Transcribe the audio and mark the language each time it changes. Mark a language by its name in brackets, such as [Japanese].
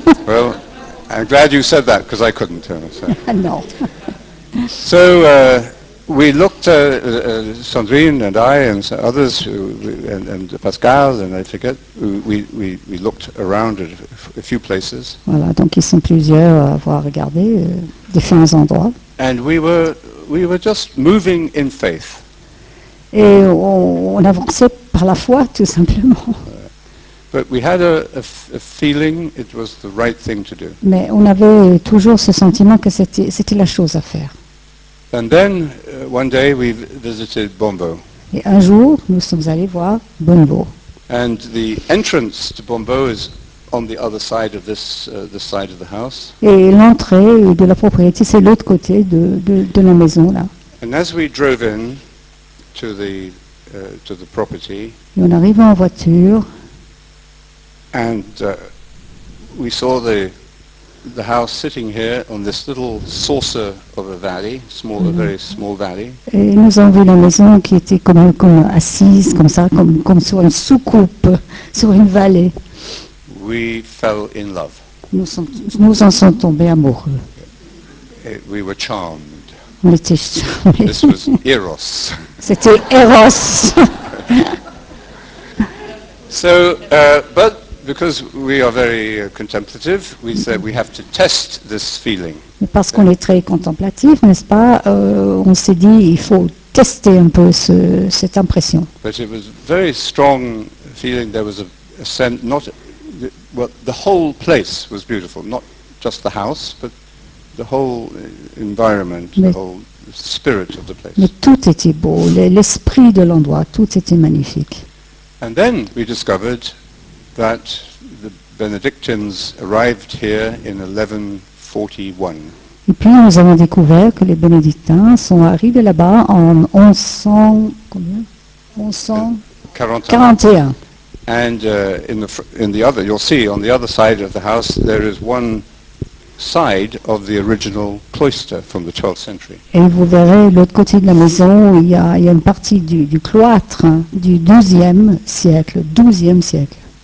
[English] Well, I'm glad you said that, because I couldn't. No. So, we looked, Sandrine and I and others, and Pascal, and I forget, we looked around at a few places. [French] Voilà, donc ils sont plusieurs à avoir regardé différents endroits. [English] And we were just moving in faith. [French] Et on avançait par la foi, tout simplement. [English] But we had a feeling it was the right thing to do. [French] Mais on avait toujours ce sentiment que c'était la chose à faire. [English] And then one day we visited Bombo. [French] Et un jour, nous sommes allés voir Bombo. [English] And the entrance to Bombo is on the other side of this this side of the house. [French] Et l'entrée de la propriété, c'est l'autre côté de la maison là. [English] And as we drove in to the property. [French] Et on arrive en voiture. [English] And we saw the house sitting here on this little saucer of a valley, small, mm-hmm. a very small valley. [French] Et nous avons vu la maison qui était comme assise, comme ça, comme sur une soucoupe, sur une vallée. [English] We fell in love. [French] Nous en sommes tombés amoureux. [English] We were charmed. [French] On était charmés. [English] This was Eros. [French] C'était Eros. [English] So, but because we are very contemplative, we said we have to test this feeling. [French] Parce qu'on est très contemplatif, n'est-ce pas? On s'est dit il faut tester un peu cette impression. [English] But it was a very strong feeling. There was a scent, not well, the whole place was beautiful, not just the house, but the whole environment, the whole spirit of the place. [French] Mais tout était beau, l'esprit de l'endroit, tout était magnifique. [English] And then we discovered that the Benedictines arrived here in 1141. [French] Et puis nous avons découvert que les Bénédictins sont arrivés là-bas en 1141. [English] And in the other, you'll see on the other side of the house there is one side of the original cloister from the 12th century. [French] Et vous verrez l'autre côté de la maison, il y a une partie du cloître du 12e siècle, 12e siècle.